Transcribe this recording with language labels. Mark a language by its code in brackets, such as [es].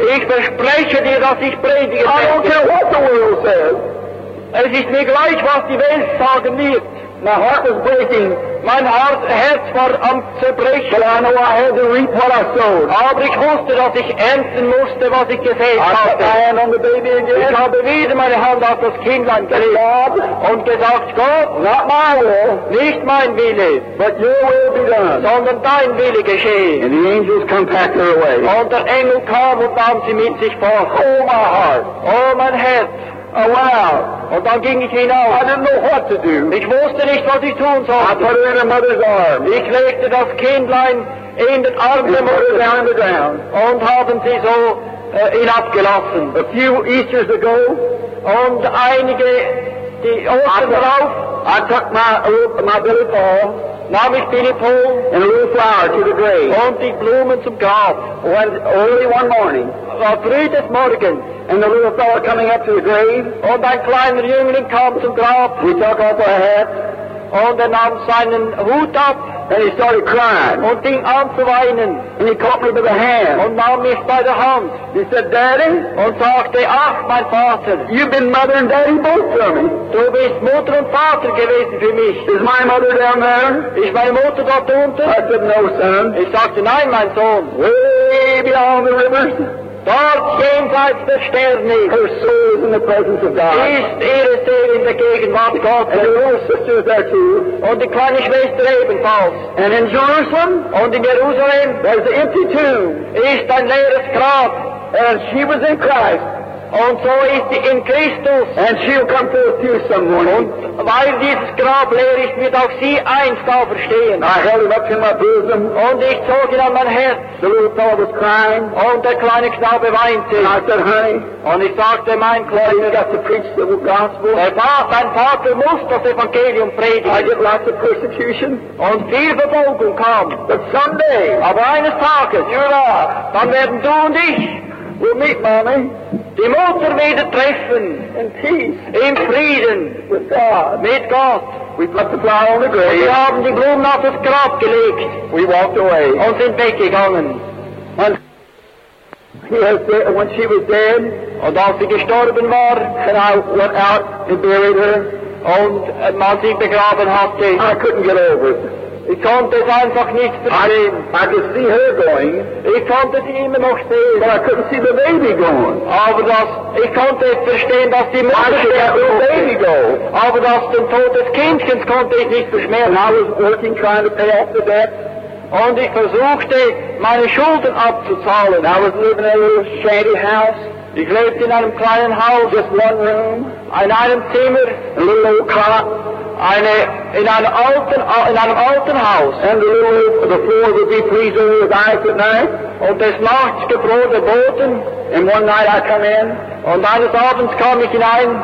[de] Ich verspreche dir, dass ich predige. [en] I don't care what the world says. [de] Es ist mir gleich, was die Welt sagen wird. [en] My heart is breaking. [de] Mein Herz war am Zerbrechen. [en] But I know I had to reap what I sowed. [de] Aber ich wusste, dass ich ernten musste, was ich gesät hatte. [en] I hand on the baby again. [de] Ich habe wieder meine Hand auf das Kindlein gelegt und gesagt, Gott, [en] not my will, [de] nicht mein Wille, [en] but your will be done. [de] Sondern dein Wille geschehe. [en] And the angels come pack her away. [de] Und der Engel kam und nahm sie mit sich fort. [en] Oh, my heart. [de] Oh, mein Herz. [en] Oh, wow. [de] Und dann ging ich hinaus. [en] I didn't know what to do. [de] Ich wusste nicht, was ich tun sollte. [en] I put it in a mother's arm. [de] Ich legte das Kindlein in den Arm der Mutter [en] down the ground. [de] Und haben sie so ihn abgelassen. [en] A few Easters ago. [de] Und einige, die Ostern drauf. [en] I took my Billy Paul. [de] Nahm ich Billy Paul. [en] And a little flower to the grave. [de] Und die Blumen zum Grab. [en] Only one morning. [de] Früh des Morgens. [en] And the little fellow coming up to the grave. [de] Und ein kleiner Jüngling kam zum Grab. [en] He took off a hat. [de] Und er nahm seinen Hut ab. [en] And he started crying. [de] Und ging an zu weinen. [en] And he caught me by the hand. [de] Und nahm mich bei der Hand. [en] He said, Daddy. [de] Und sagte, ach, mein Vater. [en] You've been mother and daddy both for me. [de] Du bist Mutter und Vater gewesen für mich. [en] Is my mother down there? [de] Ist meine Mutter dort unten? [en] I said, no, son. [de] Ich sagte, nein, mein Sohn. [en] Way beyond the rivers. [de] Dort jenseits der Sterne. [en] Her soul is in the presence of God. [de] Ist ihre Seele in der Gegenwart Gottes. [en] And her little sister is there too. [de] Und die kleine Schwester ebenfalls. [en] And in Jerusalem. [de] Und in Jerusalem. [en] There's an empty tomb. [de] Ist ein leeres Grab. [en] And she was in Christ. [de] Und so ist sie in Christus. [en] And she'll come forth to you some morning. [de] Und weil dieses Grab leer ist, wird auch sie einst auferstehen. [en] I held him up in my bosom. [de] Und ich zog ihn an mein Herz. [en] The little fellow was crying. [de] Und der kleine Knabe weinte. [en] And I said, honey. [de] Und ich sagte, mein Kleiner. [en] You've got to preach the gospel. [de] Dein Vater muss das Evangelium predigen. [en] I get lots of persecution. [de] Und viel Verfolgung kam. [en] But someday. [de] Aber eines Tages. [en] You are. [de] Dann werden du und ich. [en] We'll meet, Mommy. [de] Die Mutter wieder treffen. [en] In peace. [de] Im Frieden. [en] With God. [de] Mit Gott. [en] We put the flower on the grave. [de] Wir haben die Blumen auf das Grab gelegt. [en] We walked away. [de] Und sind weggegangen. [en] When she was dead. [de] Und als sie gestorben war. [en] And I went out and buried her. [de] Und man sie begraben hatte. [en] I couldn't get over it. [de] Ich konnte es einfach nicht verstehen. [en] I could see her going. [de] Ich konnte sie immer noch sehen. [en] But I couldn't see the baby going. [de] Aber das, ich konnte es verstehen, dass die Mutter [en] the baby go. [de] Aber das den Tod des Kindchens konnte ich nicht verschmerzen. [en] And I was working, trying to pay off the debt. [de] Und ich versuchte, meine Schulden abzuzahlen. [en] And I was living in a little shady house. [de] Ich lebte in einem kleinen Haus. [en] Just one room. [de] In einem Zimmer. [en] A little old cot. [de] In einem alten Haus. [en] And the floor would be freezing with ice at night. [de] Und des Nachts gefroren der Boden. [en] And one night I come in. [de] Und eines Abends kam ich hinein.